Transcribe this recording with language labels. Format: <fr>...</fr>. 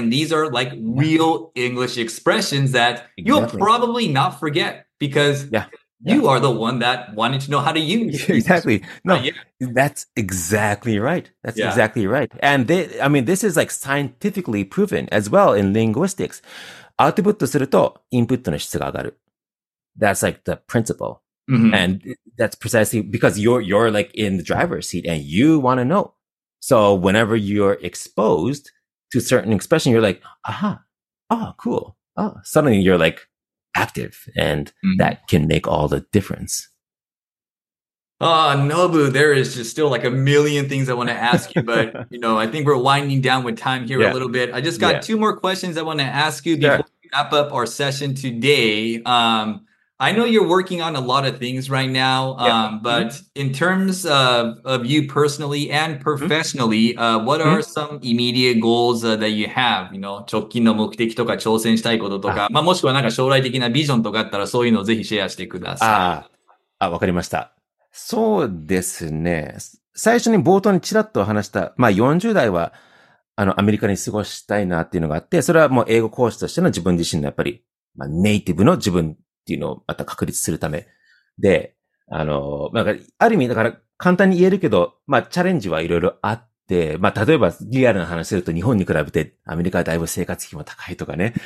<en>And these are like real English expressions that you'll probably not forget because... You are the one that wanted to know how to use it. Exactly. No, that's exactly right. That's exactly right. And they, I mean, this is like scientifically proven as well in linguistics.</en> <ja>Output するとインプットの質が上がる。</ja> <en>That's like the principle. And that's precisely because you're like in the driver's seat and you want to know. So whenever you're exposed to certain expression, you're like, aha, oh, cool. Oh, suddenly you're like,active and that can make all the difference. Oh, Nobu, there is just still like a million things I want to ask you, but you know, I think we're winding down with time here a little bit. I just got two more questions I want to ask you before we wrap up our session today. I know you're working on a lot of things right now, but in terms of you personally and professionally, what are some immediate goals that you have? You know,</en> <ja>直近の目的とか挑戦したいこととか、まあ、もしくはなんか将来的なビジョンとかあったらそういうのをぜひシェアしてください。わかりました。そうですね。最初に冒頭にちらっと話した、まあ40代はあのアメリカに過ごしたいなっていうのがあって、それはもう英語講師としての自分自身のやっぱり、まあ、ネイティブの自分、っていうのをまた確立するためで、あの、なんか、ある意味、だから、簡単に言えるけど、まあ、チャレンジはいろいろあって、まあ、例えば、リアルな話すると、日本に比べて、アメリカはだいぶ生活費も高いとかね。</ja>